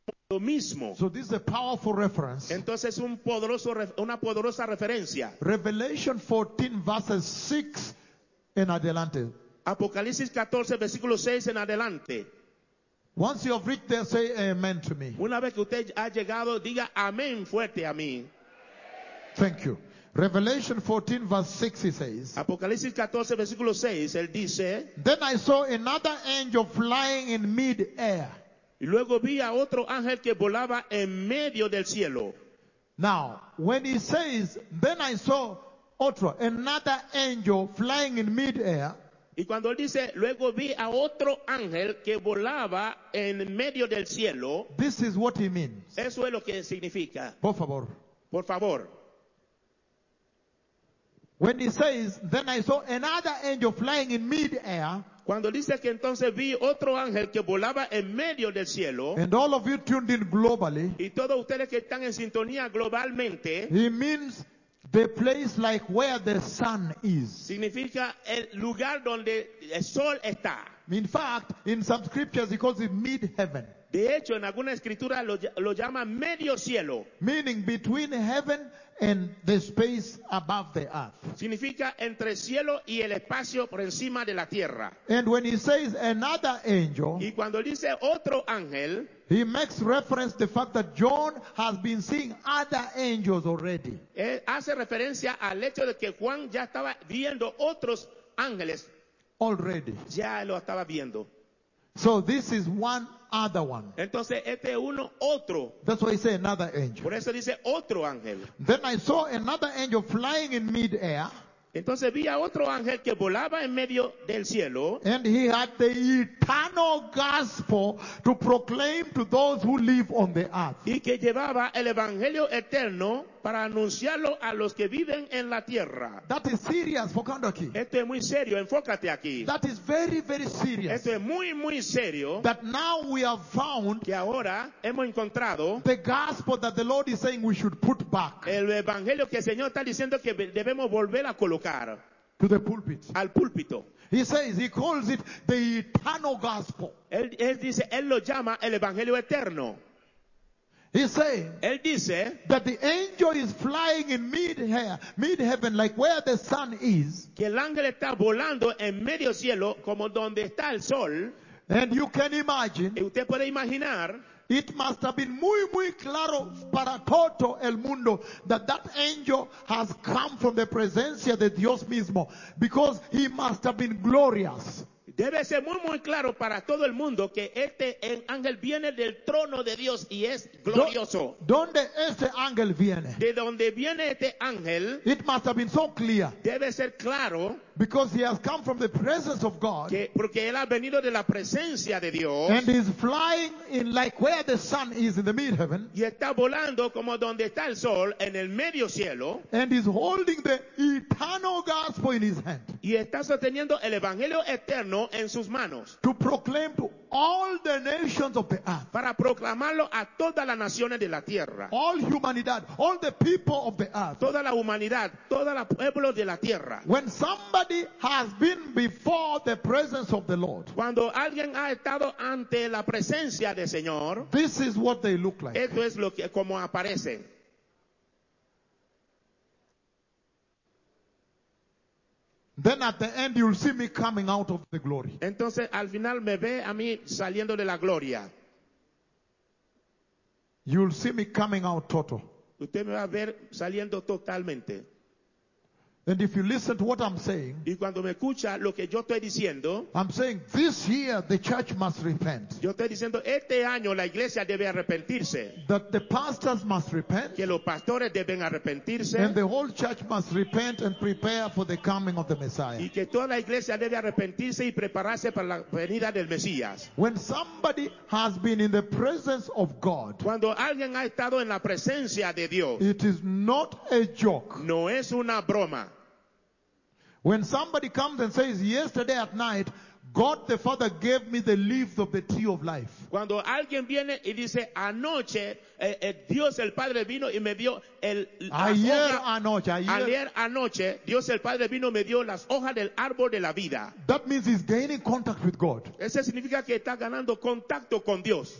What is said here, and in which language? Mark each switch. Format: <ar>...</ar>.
<es>Lo mismo.</es> <en>So this is a powerful reference.</en> <es>Entonces un poderoso una poderosa referencia.</es> <en>Revelation 14 verses 6</en> <es>en adelante. Apocalipsis 14 versículo 6 en adelante.</es> <en>Once you have reached there, say amen to me.</en> <es>Una vez que usted ha llegado, diga amén fuerte a mí.</es> <en>Thank you. Revelation 14 verse 6 he says.</en> <es>Apocalipsis 14 versículo 6 él dice.</es> <en>Then I saw another angel flying in mid air.</en> <es>Y luego vi a otro ángel que volaba en medio del cielo.</es> <en>Now, when he says, then I saw another angel flying in mid-air.</en> <es>Y cuando él dice, luego vi a otro ángel que volaba en medio del cielo.</es> <en>This is what he means.</en> <es>Eso es lo que significa. Por favor. Por favor.</es> <en>When he says, then I saw another angel flying in mid-air.</en> <es>Cuando dice que entonces vi otro ángel que volaba en medio del cielo.</es> <en>And all of you tuned in globally.</en> <es>Y todos ustedes que están en sintonía globalmente.</es> <en>He means the place like where the sun is.</en> <es>Significa el lugar donde el sol está.</es> <en>In fact, in some scriptures he calls it mid-heaven.</en> <es>De hecho, en alguna escritura lo llama medio cielo.</es> <en>Meaning between heaven and the space above the earth.</en> <es>Significa entre cielo y el espacio por encima de la tierra.</es> <en>And when he says another angel,</en> <es>y cuando dice otro ángel,</es> <en>he makes reference to the fact that John has been seeing other angels already.</en> <es>Él hace referencia al hecho de que Juan ya estaba viendo otros ángeles.</es> <en>Already.</en> <es>Ya lo estaba viendo.</es> <en>So this is one other one.</en> <es>Entonces, este uno, otro.</es> <en>That's why he said another angel.</en> <es>Por eso dice otro ángel.</es> <en>Then I saw another angel flying in mid-air.</en> <es>Entonces vi a otro ángel que volaba en medio del cielo.</es> <en>And he had the eternal gospel to proclaim to those who live on the earth.</en> <es>Y que llevaba el evangelio eterno para anunciarlo a los que viven en la tierra.</es> <en>That is serious for Kandaki.</en> <es>Esto es muy serio, enfócate aquí.</es> <en>That is very, very serious.</en> <es>Esto es muy, muy serio.</es> <en>That now we have found</en> <es>que ahora hemos encontrado</es> <en>the gospel that the Lord is saying we should put back.</en> <es>El evangelio que el Señor está diciendo que debemos volver a colocar.</es> <en>To the pulpit.</en> <es>Al púlpito.</es> <en>He says, he calls it the eternal gospel.</en> <es>Él dice, él lo llama el evangelio eterno.</es> <en>He says that the angel is flying in mid heaven, like where the sun is.</en> <es>Que el ángel está volando en medio cielo, como donde está el sol.</es> <en>And you can imagine.</en> <es>Y usted puede imaginar.</es> <en>It must have been</en> <es>muy, muy claro para todo el mundo</es> <en>that angel has come from the</en> <es>presencia de Dios mismo,</es> <en>because he must have been glorious.</en> <es>Debe ser muy, muy claro para todo el mundo que este ángel viene del trono de Dios y es glorioso. ¿Dónde este ángel viene? De donde viene este ángel.</es> <en>It must have been so clear.</en> <es>Debe ser claro.</es> <en>Because he has come from the presence of God.</en> <es>Porque él ha venido de la presencia de Dios.</es> <en>And is flying in like where the sun is in the mid heaven.</en> <es>Y está volando como donde está el sol en el medio cielo.</es> <en>And is holding the eternal gospel in his hand.</en> <es>Y está sosteniendo el evangelio eterno en sus manos.</es> <en>To proclaim to all the nations of the earth.</en> <es>Para proclamarlo a todas las naciones de la tierra.</es> <en>All humanidad, all the people of the earth.</en> <es>Toda la humanidad, todos los pueblos de la tierra.</es> <en>When somebody has been before the presence of the Lord.</en> <es>Cuando alguien ha estado ante la presencia del Señor.</es> <en>This is what they look like.</en> <es>Esto es lo que como aparecen.</es> <en>Then at the end you'll see me coming out of the glory.</en> <es>Entonces al final me ve a mí saliendo de la gloria.</es> <en>You'll see me coming out total.</en> <es>Usted me va a ver saliendo totalmente.</es> <en>And if you listen to what I'm saying,</en> <es>y cuando me escucha lo que yo estoy diciendo,</es> <en>I'm saying this year the church must repent.</en> <es>Yo estoy diciendo este año la iglesia debe arrepentirse.</es> <en>That the pastors must repent.</en> <es>Que los pastores deben arrepentirse.</es> <en>And the whole church must repent and prepare for the coming of the Messiah.</en> <es>Y que toda la iglesia debe arrepentirse y prepararse para la venida del Mesías.</es> <en>When somebody has been in the presence of God,</en> <es>cuando alguien ha estado en la presencia de Dios,</es> <en>it is not a joke.</en> <es>No es una broma.</es> <en>When somebody comes and says, yesterday at night, God the Father gave me the leaves of the tree of life.</en> <es>Cuando alguien viene y dice, anoche, Dios el Padre vino y me dio el... Ayer anoche, Dios el Padre vino y me dio las hojas del árbol de la vida.</es> <en>That means he's gaining contact with God.</en> <es>Eso significa que está ganando contacto con Dios.</es>